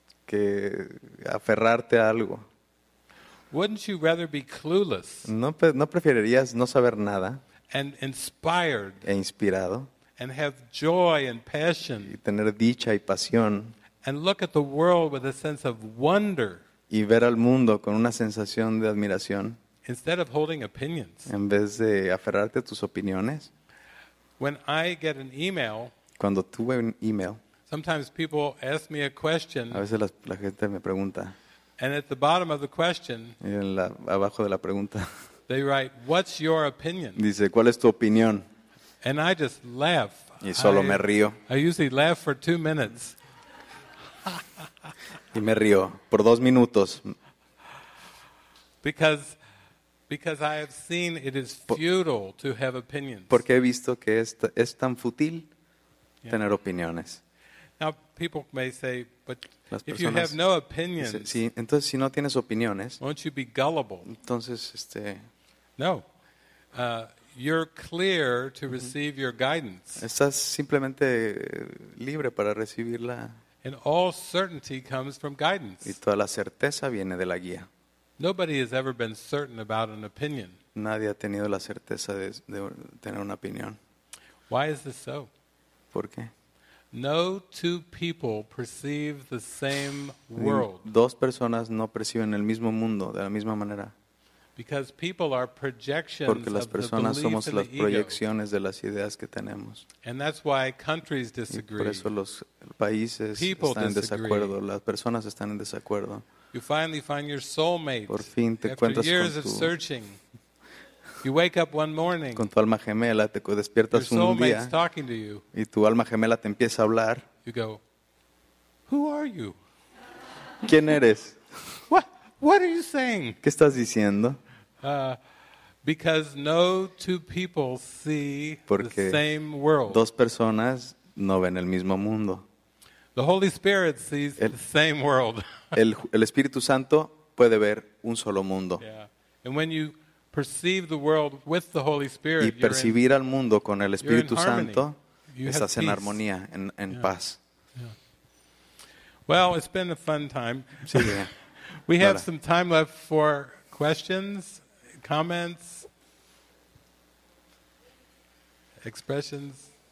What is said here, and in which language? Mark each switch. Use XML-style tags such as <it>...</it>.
<es>Que aferrarte a algo.</es> <en>Wouldn't you rather be clueless?</en> <es>No preferirías no saber nada.</es> <en>And inspired.</en> <es>E inspirado.</es> <en>And have joy and passion.</en> <es>Y tener dicha y pasión.</es> <en>And look at the world with a sense of wonder.</en> <es>Y ver al mundo con una sensación de admiración.</es> <en>Instead of holding opinions.</en> <es>En vez de aferrarte a tus opiniones.</es> <en>When I get an email.</en> <es>Cuando tuve un email.</es> <en>Sometimes people ask me a question.</en> <es>A veces la gente me pregunta.</es> <en>And at the bottom of the question.</en> <es>Abajo de la pregunta.</es> <en>They write, "What's your opinion?"</en> <es>Dice, ¿cuál es tu opinión?</es> <en>And I just laugh.</en> <es>Y solo me río.</es> <en>I usually laugh for 2 minutes.</en> <es>Y me río por 2 minutos.</es> <en>Because I have seen it is futile to have opinions.</en> <es>Porque he visto que es tan fútil tener opiniones.</es> <en>Now people may say, but if you have no opinions,</en> <es>si, entonces si no tienes opiniones,</es> <en>won't you be gullible?</en> <es>Entonces</es> <en>No. You're clear to receive your guidance.</en> <es>Estás simplemente libre para recibirla.</es> <en>And all certainty comes from guidance.</en> <es>Y toda la certeza viene de la guía.</es> <en>Nobody has ever been certain about an opinion.</en> <es>Nadie ha tenido la certeza de tener una opinión.</es> <en>Why is this so?</en> <es>¿Por qué?</es> <en>No two people perceive the same world.</en> <es>Dos personas no perciben el mismo mundo de la misma manera.</es> <en>Because people are projections.</en> <es>Porque las personas somos las proyecciones de las ideas que tenemos.</es> <en>And that's why countries disagree.</en> <es>Y por eso los países están en desacuerdo. Las personas están en desacuerdo.</es> <en>You finally find your soulmate.</en> <es>Por fin te encuentras con tu.</es> <en>After years of searching, you wake up one morning.</en> <es>Con tu alma gemela te despiertas un día.</es> <en>Your soulmate's talking to you.</en> <es>Y tu alma gemela te empieza a hablar.</es> <en>You go, who are you?</en> <es>¿Quién eres?</es> <en>What are you saying?</en> <es>¿Qué estás diciendo?</es> <en>Because no two people see</en> <es>porque</es> <en>the same world.</en> <es>Dos personas no ven el mismo mundo.</es> <en>The Holy Spirit sees the same world.</en> <es>El Espíritu Santo puede ver un solo mundo.</es> <en>Yeah. And when you perceive the world with the Holy Spirit,</en> <es>y percibir al mundo con el Espíritu Santo,</es> <en>you</en> <es>estás en</es> <en>peace.</en> <es>Armonía, en</es> <en>yeah.</en> <es>paz.</es> <en>Yeah. Well, it's been a fun time.</en> <es>Sí, yeah.</es> <en>We have some time left for questions, comments, expressions.</en>